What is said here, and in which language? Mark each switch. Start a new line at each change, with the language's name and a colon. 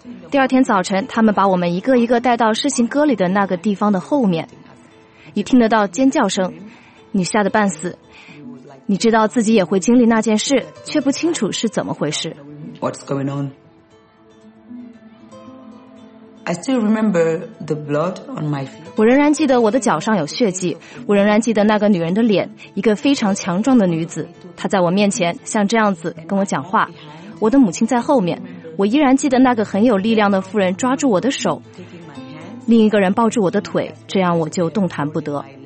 Chinese: 第二天早晨，他们把我们一个一个带到事情歌里的那个地方的后面。你听得到尖叫声，你吓得半死，你知道自己也会经历那件事，却不清楚是怎么回事。
English: What's going on? I still remember the blood on my feet.
Chinese: 我仍然记得我的脚上有血迹，我仍然记得那个女人的脸，一个非常强壮的女子，她在我面前像这样子跟我讲话，我的母亲在后面。我依然记得那个很有力量的妇人抓住我的手，另一个人抱住我的腿，这样我就动弹不得。